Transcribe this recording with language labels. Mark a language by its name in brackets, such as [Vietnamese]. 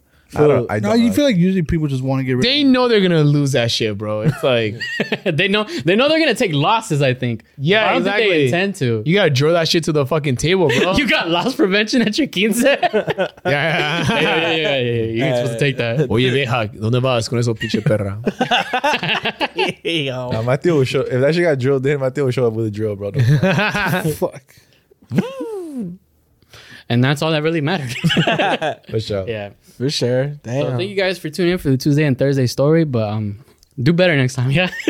[English] Feel like usually people just want to get rid of it. They know they're going to lose that shit, bro. It's like, they know they're going to take losses, I think. Yeah, I don't exactly. think they intend to. You got to draw that shit to the fucking table, bro. You got loss prevention at your quinceañera? Yeah. You're supposed to take that. [Spanish] Oye, vieja, ¿dónde vas con eso pinche perra? [English] Nah, my tío will show, if that shit got drilled in, my tío will show up with a drill, bro. Fuck. And that's all that really mattered. For sure. Yeah. For sure. Damn. So thank you guys for tuning in for the Tuesday and Thursday story, but do better next time, yeah?